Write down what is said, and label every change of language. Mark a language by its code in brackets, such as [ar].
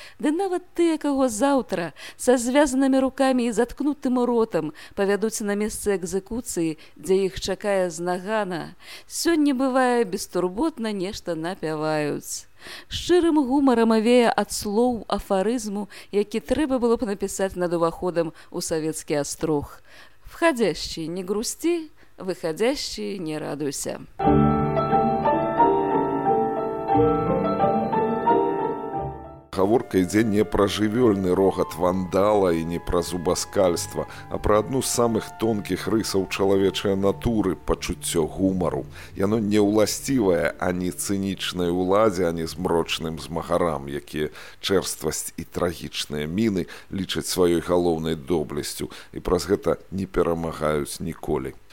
[be] Ды нават тыя, каго заўтра са звязанымі рукамі і заткнутым ротам павядуць на месцы экзекуцыі, дзе іх чакае знагана. Сёння бывае бестурботна нешта напяваюць. Шчырым гумарам авея ад слоў афарызму, які трэба было б напісаць над уваходам у савецкі астрог. [ru] Входзящі не грусці, выходящий не радуйся. [be] Гаворка ідзе не пра жывёльны рогат вандала і не пра зубаскальства, а пра адну з самых тонкіх рысаў чалавечай натуры – пачуццё гумару. Яно не ўласцівае ані цынічнай уладзе, ані змрочным змагарам, якія чэрствасць і трагічныя міны лічаць сваёй галоўнай доблесцю і праз гэта не перамагаюць ніколі.